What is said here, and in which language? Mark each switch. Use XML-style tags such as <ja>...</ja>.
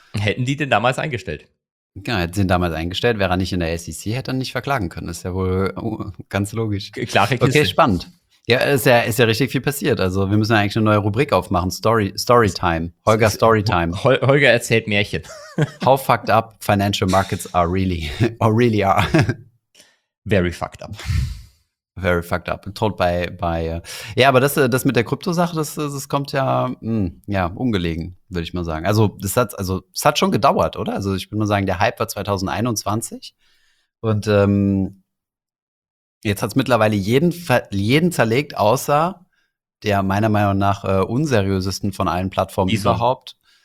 <de>Hätten die denn damals eingestellt? Genau, hätten sie ihn damals eingestellt. Wäre er nicht in der SEC, hätte er nicht verklagen können. Das ist ja wohl ganz logisch. Klare Kiste. Okay, spannend. Ja, ist ja richtig viel passiert. Also wir müssen eigentlich eine neue Rubrik aufmachen. Storytime. Holger Storytime. Holger erzählt Märchen.</de> <en>How fucked up financial markets are really, or really are. Very fucked up. Very fucked up. Told by</en> <de>ja, aber das mit der Krypto-Sache, das kommt ja, ungelegen, würde ich mal sagen. Also es hat schon gedauert, oder? Also ich würde mal sagen, der Hype war 2021 und jetzt hat es mittlerweile jeden zerlegt, außer der meiner Meinung nach unseriösesten von allen Plattformen überhaupt.</de>